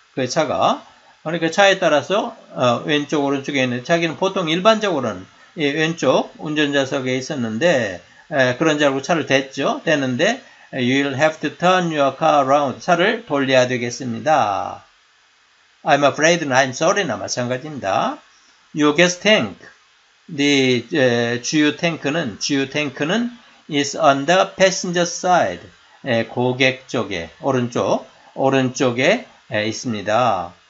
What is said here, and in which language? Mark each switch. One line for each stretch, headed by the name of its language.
Korean: 그 차가 그러니까 차에 따라서 왼쪽 오른쪽에 있는 자기는 보통 일반적으로는 왼쪽 운전자석에 있었는데 그런 줄 알고 차를 댔죠.
English: 되는데 You'll have to turn your car around.
Korean: 차를 돌려야 되겠습니다.
English: I'm afraid and I'm sorry나
Korean: 마찬가지입니다.
English: Your gas tank, the
Korean: 주유 탱크는
English: is on the passenger side.
Korean: 고객 쪽에 오른쪽에 있습니다.